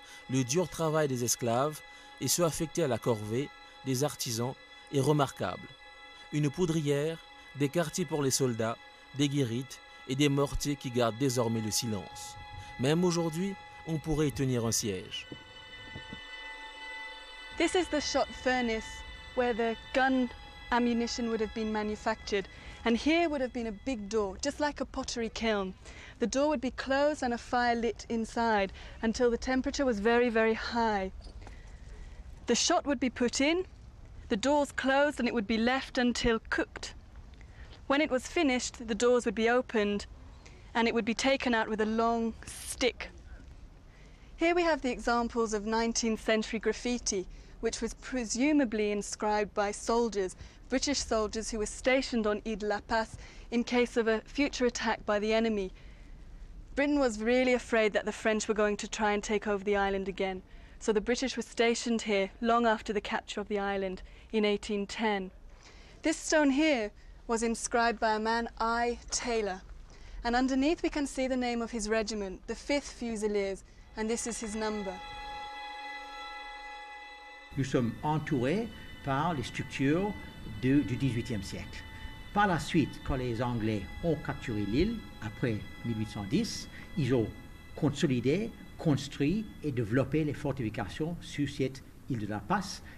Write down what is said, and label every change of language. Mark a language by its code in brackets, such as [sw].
[fr] Le dur travail des esclaves et ceux affectés à la corvée, des artisans, est remarquable. Une poudrière, des quartiers pour les soldats, des guérites et des mortiers qui gardent désormais le silence. Même aujourd'hui, on pourrait y tenir un siège. [en] This is the shot furnace where the gun ammunition would have been manufactured. And here would have been a big door, just like a pottery kiln. The door would be closed and a fire lit inside until the temperature was very, very high. The shot would be put in, the doors closed, and it would be left until cooked. When it was finished, the doors would be opened and it would be taken out with a long stick. Here we have the examples of 19th century graffiti, which was presumably inscribed by soldiers, British soldiers who were stationed on Ile de la Paz in case of a future attack by the enemy. Britain was really afraid that the French were going to try and take over the island again. So the British were stationed here long after the capture of the island in 1810. This stone here was inscribed by a man, I. Taylor. And underneath we can see the name of his regiment, the 5th Fusiliers, and this is his number. [fr] Nous sommes entourés par les structures du XVIIIe siècle. Par la suite, quand les Anglais ont capturé l'île, après 1810, ils ont consolidé, construit et développé les fortifications sur cette île de la Passe.